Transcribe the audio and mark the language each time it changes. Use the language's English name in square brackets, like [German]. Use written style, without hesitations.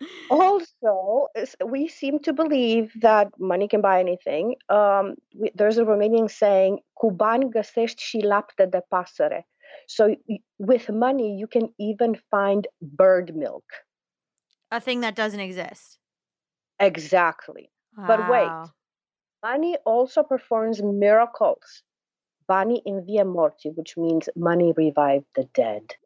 [English] Also, we seem to believe that money can buy anything. There's a Romanian saying, [Romanian] cu bani găsești și lapte de pasăre. [English] So with money, you can even find bird milk. A thing that doesn't exist. Exactly. Wow. But wait, money also performs miracles. [Romanian] Bani invia morti, [English] which means money revived the dead.